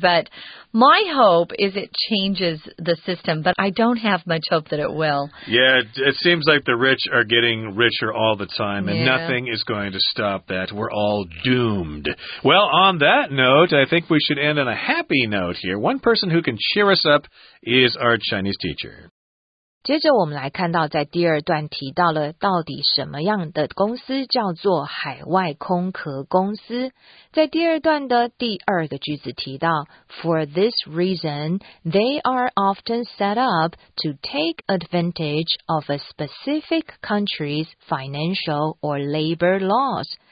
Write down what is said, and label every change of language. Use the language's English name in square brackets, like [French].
[English] But my hope is it changes the system, but I don't have much hope that it will. Yeah, it seems like the rich are getting richer all the time, and nothing is going to stop that. We're all doomed. Well, on that note, I think we should end on a happy note here. One person who can cheer us up is our Chinese teacher. [Chinese] 接着我们来看到在第二段提到了到底什么样的公司叫做海外空壳公司。在第二段的第二个句子提到 [English] For this reason, they are often set up to take advantage of a specific country's financial or labor laws.